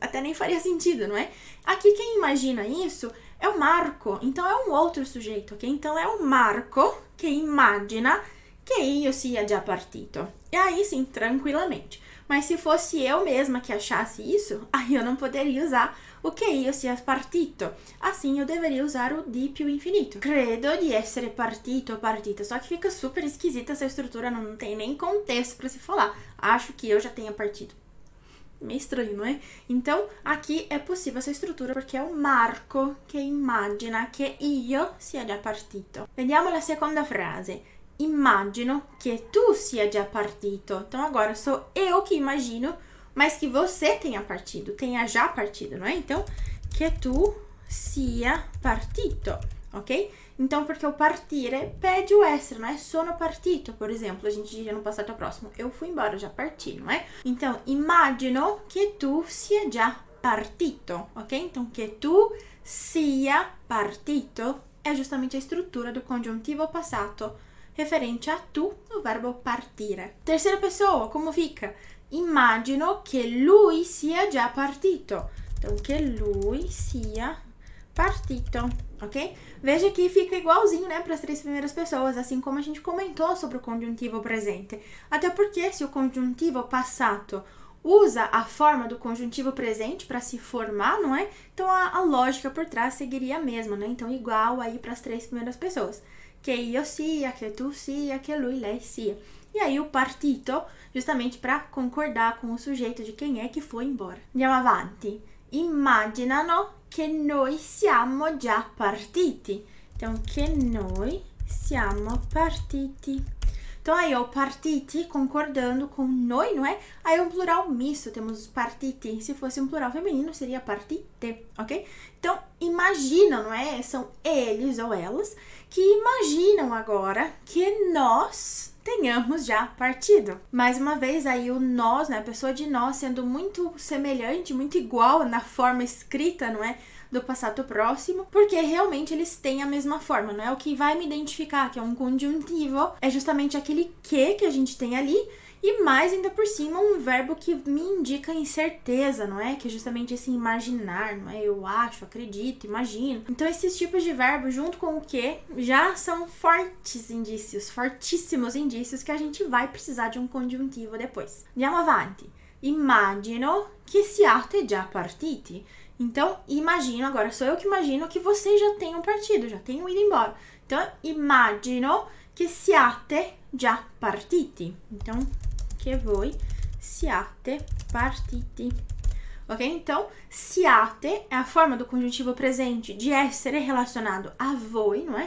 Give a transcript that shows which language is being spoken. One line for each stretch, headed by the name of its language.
Portuguese: Até nem faria sentido, não é? Aqui quem imagina isso é o Marco, então é um outro sujeito, ok? Então é o Marco que imagina que
Italian: io sia già partito.
Portuguese: E aí sim, tranquilamente. Mas se fosse eu mesma que achasse isso, aí eu não poderia usar o que
Italian: io sia partito.
Portuguese: Assim, eu deveria usar o di più infinito.
Italian: Credo di essere partito ou partita.
Portuguese: Só que fica super esquisita essa estrutura, não tem nem contexto para se falar. Acho que eu já tenha partido. Meio estranho, não é? Então, aqui é possível essa estrutura porque é o Marco que imagina
Italian: che io sia già partito. Vediamo la seconda frase. Immagino che tu sia già partito.
Portuguese: Então agora sou eu que imagino, mas que você tenha já partido, não é?
Italian: Então, che tu sia partito, ok?
Portuguese: Então, porque o partire pede o essere, não é?
Italian: Sono partito,
Portuguese: por exemplo, a gente diria no passato próximo, eu fui embora, já parti, não é?
Italian: Então, immagino che tu sia già partito, ok?
Portuguese: Então,
Italian: che tu sia partito
Portuguese: é justamente a estrutura do congiuntivo passato referente a tu, no verbo partire. Terceira pessoa, como fica?
Italian: Imagino que lui sia già partito. Então, que lui sia partito, ok?
Portuguese: Veja que fica igualzinho, né, para as três primeiras pessoas, assim como a gente comentou sobre o conjuntivo presente. Até porque se o conjuntivo passato usa a forma do conjuntivo presente para se formar, não é? Então, a lógica por trás seguiria a mesma, né? Então, igual aí para as três primeiras pessoas. Que io sia, que tu sia, que
Italian: lui, lei sia.
Portuguese: E aí o partito, justamente para concordar com o sujeito de quem é que foi embora.
Italian: Andiamo avanti. Immaginano che noi siamo già partiti. Então, che noi siamo partiti.
Portuguese: Então, aí o partiti concordando com noi, não é? Aí é um plural misto, temos partiti. Se fosse um plural feminino, seria partite, ok? Então, imaginam, não é? São eles ou elas que imaginam agora que nós tenhamos já partido. Mais uma vez, aí o nós, né? A pessoa de nós sendo muito semelhante, muito igual na forma escrita, não é? Do passado próximo, porque realmente eles têm a mesma forma, não é? O que vai me identificar, que é um conjuntivo, é justamente aquele que a gente tem ali, e mais ainda por cima, um verbo que me indica incerteza, não é? Que é justamente esse imaginar, não é? Eu acho, acredito, imagino. Então, esses tipos de verbos, junto com o que, já são fortes indícios, fortíssimos indícios, que a gente vai precisar de um conjuntivo depois.
Italian: Andiamo avanti. Imagino que siate già partiti.
Portuguese: Então, imagino, agora sou eu que imagino que vocês já tenham partido, já tenham ido embora.
Italian: Então, imagino que siate già partiti. Então, que voi siate partiti. Ok?
Portuguese: Então, siate é a forma do conjuntivo presente de essere relacionado a voi, não é?